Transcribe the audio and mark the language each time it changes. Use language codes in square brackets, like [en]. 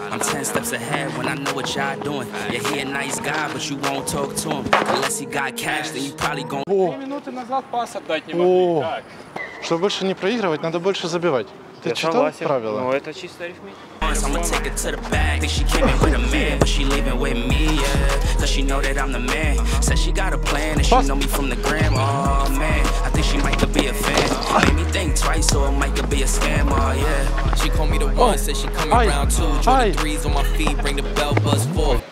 [en] I'm 10 steps ahead when I know what y'all doing. Yeah, he a nice guy, but you won't talk to him. Unless he got cash, then you probably gon' [ru] 3 минуты назад пас отдать не могли. Чтобы больше не проигрывать, надо больше забивать. Ты читал правила? Ну, это чисто арифметика. [en] I'm gonna take it to the back. Think she came in with a man, but she leaving with me, yeah. Cause she know that I'm the man. Said she got a plan and she know me from the gram. Oh man, I think she might be a fan. Made me think twice, so it might be a scam. Oh yeah. She called me the one, said she coming round two. Join the threes on my feet, bring the bell buzz four.